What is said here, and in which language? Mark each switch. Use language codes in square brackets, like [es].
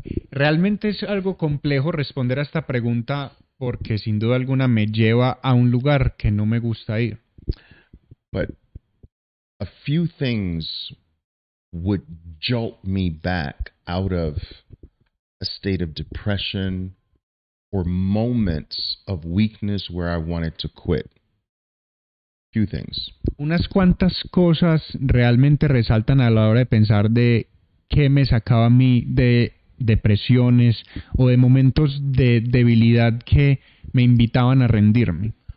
[es] Realmente es algo complejo responder a esta pregunta porque sin duda alguna me lleva a un lugar que no me gusta ir. [en] But a few things would jolt me back out of a state of depression or moments of weakness where I wanted to quit. Few things. [es] Unas cuantas cosas realmente resaltan a la hora de pensar de qué me sacaba a mí de depresiones o de momentos de debilidad que me invitaban a rendirme.